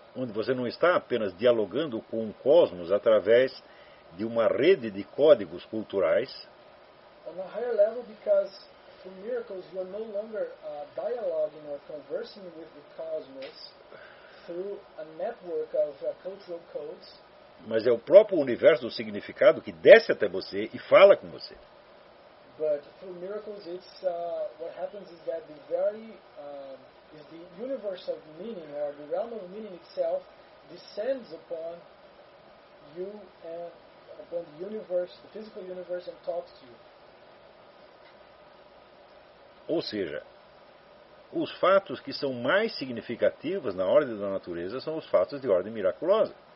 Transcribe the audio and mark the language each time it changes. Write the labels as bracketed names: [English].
[Portuguese] Onde você não está apenas dialogando com o cosmos através de uma rede de códigos culturais. [English] On a higher level, because through miracles you are no longer dialoguing or conversing with the cosmos through a network of cultural codes. [Portuguese] Mas é o próprio universo do significado que desce até você e fala com você. [English] But through miracles, it's what happens is that the very is the universe of meaning, or the realm of meaning itself, descends upon you and upon the universe, the physical universe, and talks to you. [Portuguese] Ou seja, os fatos que são mais significativos na ordem da natureza são os fatos de ordem miraculosa.